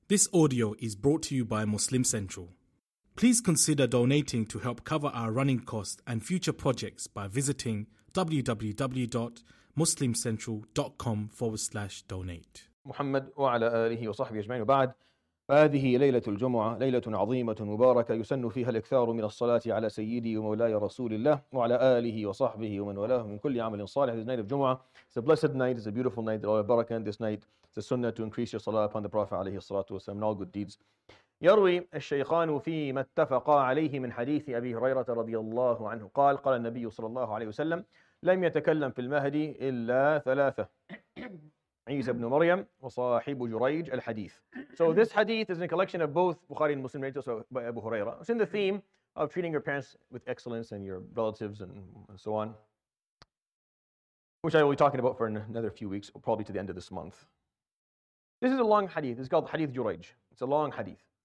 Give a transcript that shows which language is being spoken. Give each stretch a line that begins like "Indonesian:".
English: This audio is brought to you by Muslim Central. Please consider donating to help cover our running costs and future projects by visiting www.muslimcentral.com/donate.
Arabic: Muhammad wa ala alihi wa sahbihi ajma'in wa ba'd. هذه ليلة الجمعة ليلة عظيمة مباركة يسن فيها الاكثار من الصلاة على سيدي ومولاي رسول الله وعلى آله وصحبه ومن والاه من كل عمل صالح.
English: This night of Jumu'ah, it's a blessed night, it's a beautiful night, there's a barakah in this night, it's a sunnah to increase your salah upon the Prophet
Arabic: عليه الصلاة والسلام
English: and all good deeds.
Arabic: يروي الشيخان فيما اتفقا عليه من حديث أبي هريرة رضي الله عنه قال قال النبي صلى الله عليه وسلم لم يتكلم في المهدي إلا ثلاثة عيسى بن مريم وصاحب جريج الحديث.
English: So this hadith is in a collection of both Bukhari and Muslim, right? So by Abu Huraira. It's in the theme of treating your parents with excellence and your relatives and so on, which I will be talking about for another few weeks, or probably to the end of this month. This is a long hadith. It's called Hadith Jureyj. It's a long hadith.